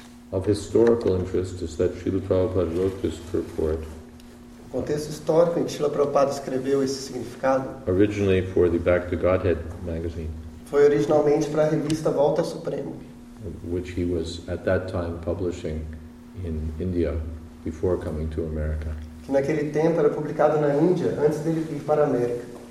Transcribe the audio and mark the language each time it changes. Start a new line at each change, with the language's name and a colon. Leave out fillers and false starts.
English: Of historical interest is that Srila Prabhupada wrote this purport.
Portuguese: O contexto histórico em que Srila Prabhupada escreveu esse significado.
English: Originally for the Back to Godhead magazine.
Portuguese: Foi originalmente para a revista Volta Supremo.
English: Which he was at that time publishing in India before coming to America.
Portuguese: Que naquele tempo era publicado na Índia antes dele vir para a América.